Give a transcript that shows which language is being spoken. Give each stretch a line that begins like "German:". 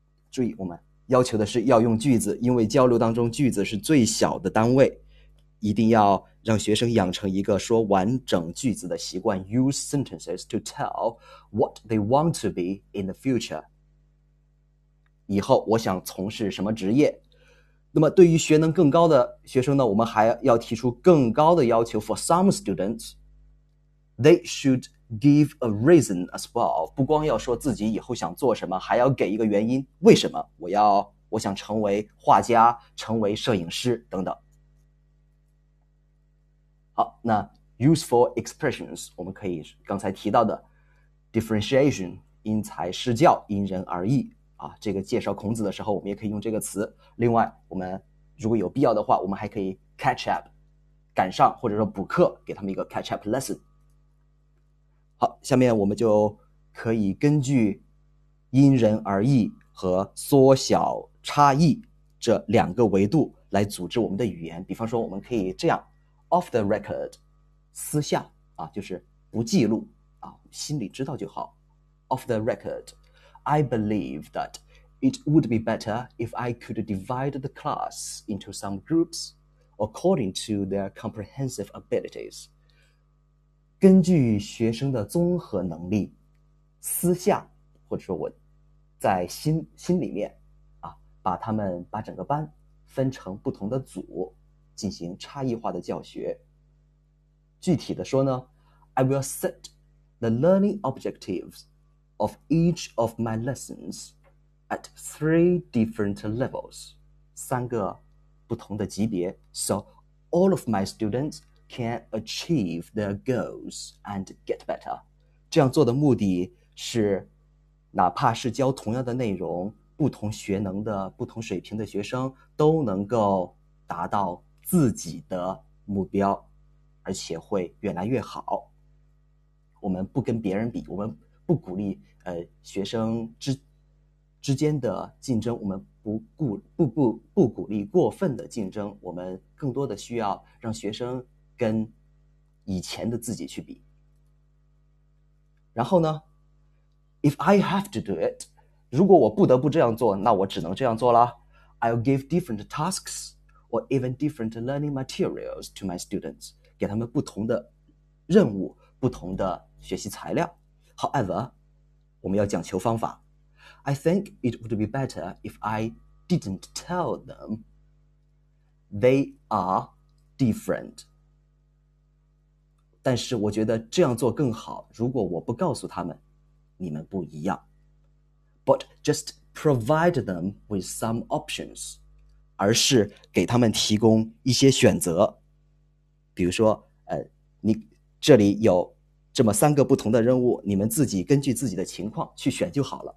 Chinese: 注意，我们要求的是要用句子，因为交流当中句子是最小的单位，一定要让学生养成一个说完整句子的习惯，
English: use sentences to tell what they want to be in the future。
Chinese: 以后我想从事什么职业？那么对于学能更高的学生呢，我们还要提出更高的要求。
English: For some students, they should give a reason as well。
Chinese: 不光要说自己以后想做什么，还要给一个原因，为什么我想成为画家、成为摄影师等等。好，那 useful expressions 我们可以刚才提到的 differentiation 因材施教，因人而异啊。这个介绍孔子的时候，我们也可以用这个词。另外，我们如果有必要的话，我们还可以 catch up 赶上或者说补课，给他们一个 catch up lesson。好，下面我们就可以根据因人而异和缩小差异这两个维度来组织我们的语言。比方说，我们可以这样。
English: Off the record，
Chinese: 私下啊，就是不记录啊，心里知道就好。
English: Off the record，I believe that it would be better if I could divide the class into some groups according to their comprehensive abilities。
Chinese: 根据学生的综合能力，私下或者说我在心里面啊，把他们把整个班分成不同的组。进行差异化的教学。具体的说呢，
English: I will set the learning objectives of each of my lessons at three different levels，
Chinese: 三个不同的级别，
English: so all of my students can achieve their goals and get better。
Chinese: 这样做的目的是，哪怕是教同样的内容，不同学能的、不同水平的学生都能够达到。自己的目标，而且会越来越好。我们不跟别人比，我们不鼓励学生之间的竞争，我们不鼓励过分的竞争。我们更多的需要让学生跟以前的自己去比。然后呢，
English: If I have to do it，
Chinese: 如果我不得不这样做，那我只能这样做了。
English: I'll give different tasks。 Or even different learning materials to my students，
Chinese: 给他们不同的任务、不同的学习材料。 However，我们要讲求方法。
English: I think it would be better if I didn't tell them they are different。
Chinese: 但是我觉得这样做更好，如果我不告诉他们，你们不一样。
English: But just provide them with some options。
Chinese: 而是给他们提供一些选择，比如说，你这里有这么三个不同的任务，你们自己根据自己的情况去选就好了。